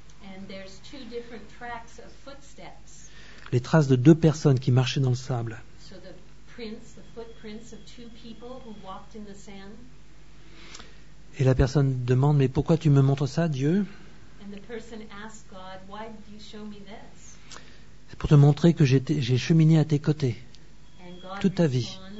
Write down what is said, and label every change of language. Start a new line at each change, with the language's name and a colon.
English: And there's two different tracks of footsteps.
French: Les traces de deux personnes qui marchaient dans le sable.
English: So the footprints of two people who walked in the sand.
French: Et la personne demande, mais pourquoi tu me montres ça, Dieu ?
English: And the person asked God, why did you show me this?
French: C'est pour te montrer que j'ai cheminé à tes côtés toute ta vie.